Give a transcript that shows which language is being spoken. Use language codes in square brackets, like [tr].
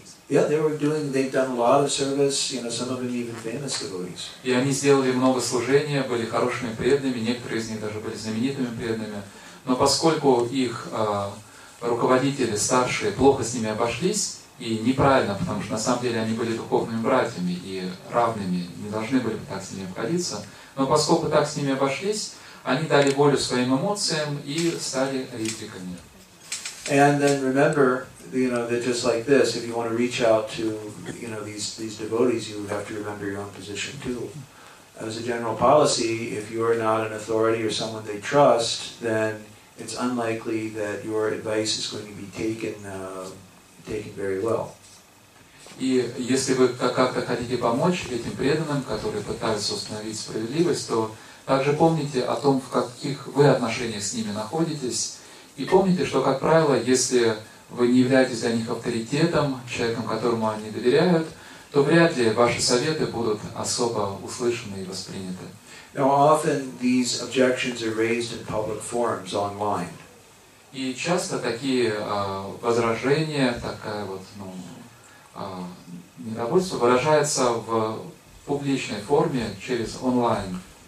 [en] Yeah, they've done a lot of service, you know, some of them even famous devotees. [ru] И они сделали много служения, были хорошими преданными, некоторые из них даже были знаменитыми преданными. Но поскольку их руководители старшие плохо с ними обошлись, и неправильно, потому что на самом деле они были духовными братьями и равными, не должны были бы так с ними обходиться, но поскольку так с ними обошлись, они дали волю своим эмоциям и стали ритриками. [en] And then remember, you know, that just like this, if you want to reach out to, you know, these devotees, you have to remember your own position too. As a general policy, if you are not an authority or someone they trust, then it's unlikely that your advice is going to be taken very well. [ru] И если вы как-то хотите помочь этим преданным, которые пытаются установить справедливость, то также помните о том, в каких вы отношениях с ними находитесь. И помните, что, как правило, если вы не являетесь для них авторитетом, человеком, которому они доверяют, то вряд ли ваши советы будут особо услышаны и восприняты. [en] Now, often these objections are raised in public forums online. [ru] И часто такие возражения, такая вот, ну, недовольство выражается в публичной форме через онлайн.